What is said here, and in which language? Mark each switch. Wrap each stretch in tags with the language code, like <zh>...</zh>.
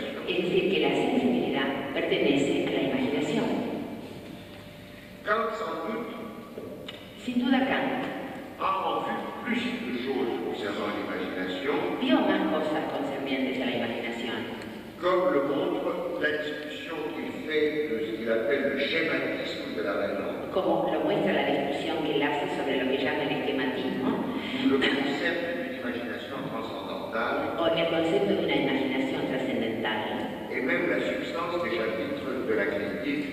<es>Es decir, que la sensibilidad pertenece a la imaginación.</es> <fr>Kant, sans doute,</fr> <es>sin duda Kant,</es> <fr>a en vu plus de choses concernant l'imagination,</fr> <es>vio más cosas concernientes a la imaginación,</es> <fr>comme le montre la discussion qu'il fait de ce qu'il appelle le schématisme de la raison,</fr> <es>como lo muestra la discusión que él hace sobre lo que llama el esquematismo,</es> <fr>le concept de l'imagination transcendantale,</fr> <es>o el concepto de una imaginación trascendental,</es> <fr>et même la substance des chapitres de la critique,</fr>